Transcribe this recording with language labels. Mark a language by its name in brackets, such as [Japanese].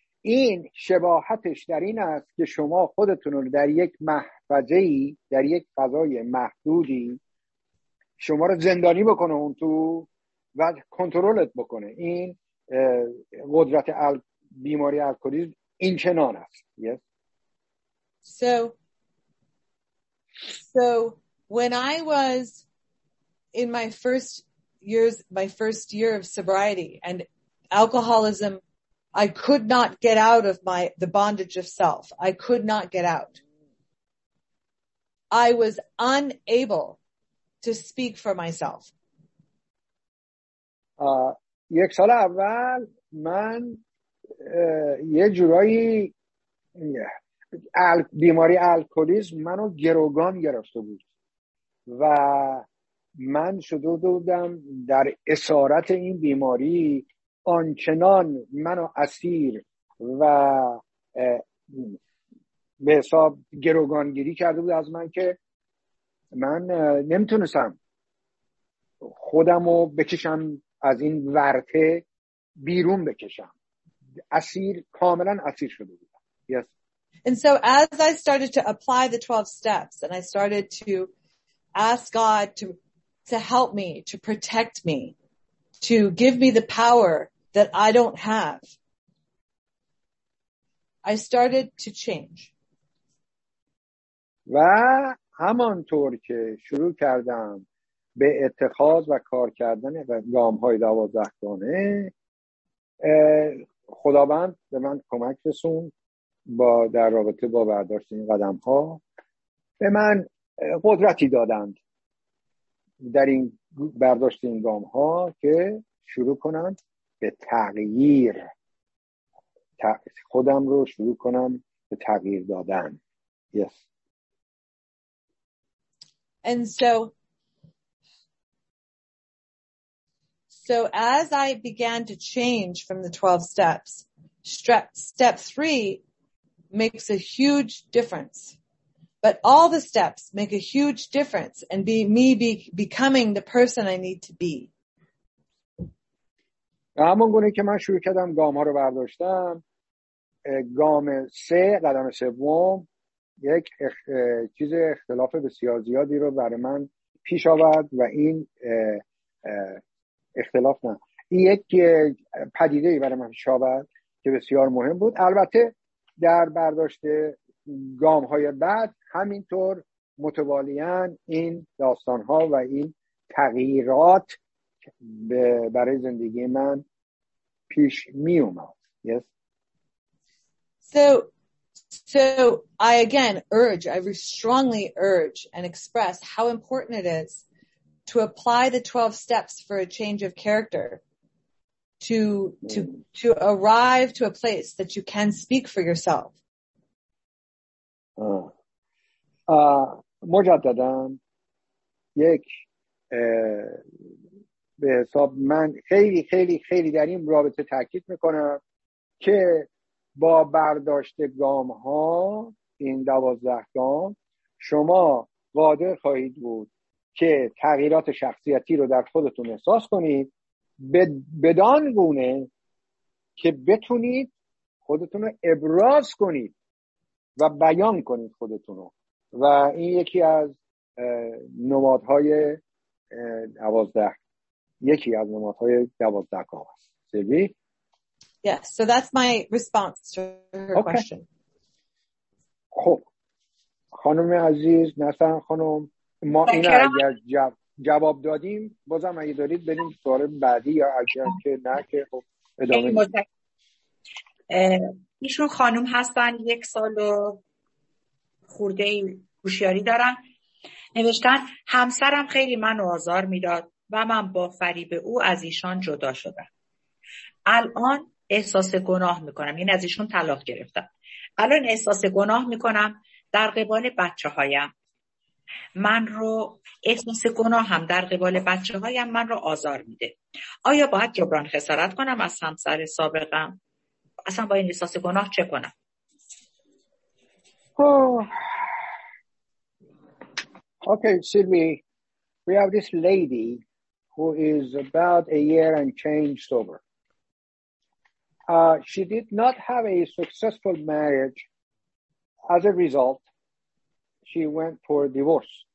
[Persian] این شباهتش در این است که شما خودتون رو در یک محفظه‌ای، در یک فضای محدودی شما رو زندانی بکنه اون تو و کنترلت بکنه. این قدرت بیماری الکلی این چنان است. [English] yes. So when I was in my first year of sobriety and alcoholism, I could not get out of the bondage of self. I could not get out. I was unable to speak for myself. [Persian] یک سال اول من یه جورایی بیماری الکلیسم منو گروگان گرفته بود و من شده بودم در اسارت این بیماری، آنچنان منو اسیر و به حساب گروگانگیری کرده بود از من که من نمیتونستم خودمو بکشم از این ورطه بیرون بکشم، اسیر، کاملا اسیر شده بودم. [English] yes. And so as I started to apply the 12 steps and I started to ask God to help me, to protect me, to give me the power that I don't have, I started to change. [Persian] و همانطور که شروع کردم به اتخاذ و کار کردن گام‌های 12 گانه، خداوند به من کمک رسوند با در رابطه با برداشت این قدم ها، به من قدرتی دادند در این برداشت این گام ها که شروع کنم به تغییر، خودم رو شروع کنم به تغییر دادن. [English] yes. And so as I began to change from the 12 steps, step 3 makes a huge difference. But all the steps make a huge difference and becoming the person I need to be. [Persian] همون گونه که من شروع کردم گام ها رو برداشتم، گام 3، قدم 3 یک چیز اختلاف بسیار زیادی رو برای من پیش آورد و این اختلاف نه، یک پدیده ای برای من پیش آورد که بسیار مهم بود. البته در برداشت گام‌های بعد همینطور متوالیان این داستان‌ها و این تغییرات برای زندگی من پیش می‌اومد. [English] yes. So I again urge, I strongly urge and express how important it is to apply the 12 steps for a change of character. To arrive to a place that you can speak for yourself. [Persian] مجددم یک به حساب من خیلی خیلی خیلی در این رابطه تاکید میکنم که با برداشت گام ها، این 12 گام، شما قادر خواهید بود که تغییرات شخصیتی رو در خودتون احساس کنید، بدان گونه که بتونید خودتون رو ابراز کنید و بیان کنید خودتون رو، و این یکی از نمادهای 12، یکی از نمادهای 12 گام است. سیلوی؟ [English] Yes, so that's my response to her okay. question. [Persian] خب خانم عزیز، نسن خانم، ما این از جواب دادیم، بازم اگه دارید بریم سوال بعدی یا اگر که نه که ادامه بدیم. ایشون خانم هستن، یک سال و خورده هوشیاری دارن. نوشتن همسرم خیلی منو آزار میداد و من با فریب او از ایشان جدا شدم. الان احساس گناه میکنم، یعنی از ایشون طلاق گرفتم. الان احساس گناه میکنم در قبال بچه هایم. من رو احساس گناه هم در قبال بچه هایم من رو آزار میده. آیا باید جبران خسارت کنم از همسر سابقم؟ اصلا با این احساس گناه چه کنم؟ [English] Okay, Sylvie, we have this lady who is about a year and change sober. She did not have a successful marriage. As a result, she went for divorce.